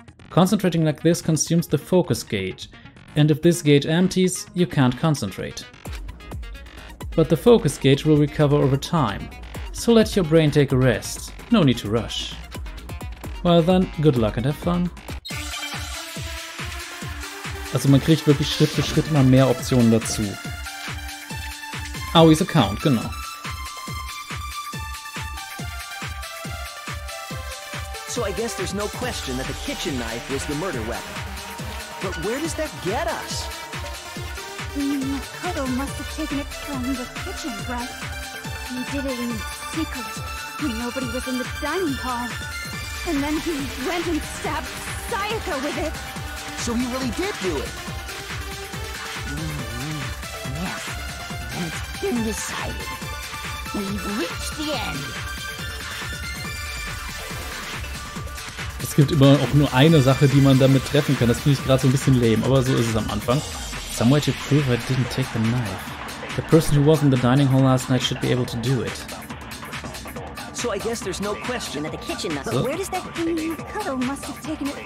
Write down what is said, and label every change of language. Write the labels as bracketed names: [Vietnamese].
[English] Concentrating like this consumes the focus gauge, and if this gauge empties, you can't concentrate. But the focus gauge will recover over time, so let your brain take a rest. No need to rush. Well then, good luck and have fun. [German] Also man kriegt wirklich Schritt für Schritt immer mehr Optionen dazu. Aoi's Account, genau. [English] So I guess there's no question that the kitchen knife was the murder weapon. But where does that get us? Makoto must have taken it from the kitchen, right? He did it in secret, when nobody was in the dining hall. And then he went and stabbed Sayaka with it. So he really did do it. Yes, and it's been decided. We've reached the end. [German] Es gibt immer auch nur eine Sache, die man damit treffen kann. Das finde ich gerade so ein bisschen lame, aber so ist es am Anfang. [English] Somewhere to prove I didn't take the knife. The person who was in the dining hall last night should be able to do it. So I guess there's no question that the kitchen knife. But where does that Mikoto must have taken it?